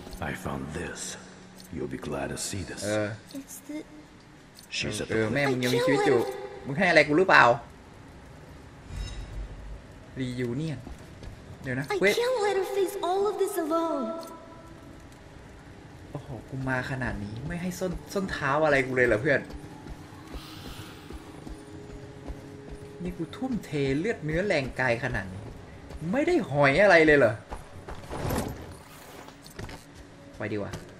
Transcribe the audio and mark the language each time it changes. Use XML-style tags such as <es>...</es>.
<en>I found this you'll be glad to see this she's at the</en> <th>แม่มึงยังมีชีวิตอยู่มึงให้อะไรกูหรือเปล่า</th> <en>reunion</en> <th>เดี๋ยวนะ</th> <en>wait I can't let her face all of this alone</en> <th>โอ้โหกูมาขนาดนี้ไม่ให้ส้นเท้าอะไรกูเลยเหรอเพื่อนนี่กูทุ่มเทเลือดเนื้อแรงกายขนาดนี้ไม่ได้หอยอะไรเลยเหรอไปดีกว่า</th>